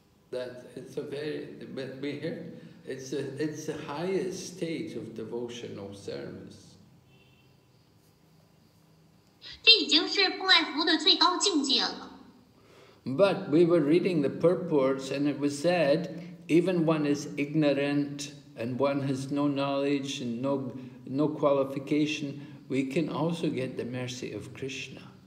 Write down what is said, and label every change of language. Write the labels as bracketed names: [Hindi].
[English] That it's a very, but we hear it's the highest stage of devotional service. [Chinese] 这已经是不爱服务的最高境界了。 [English] But we were reading the purports and it was said, even one is ignorant and one has no knowledge and no qualification, we can also get the mercy of Krishna.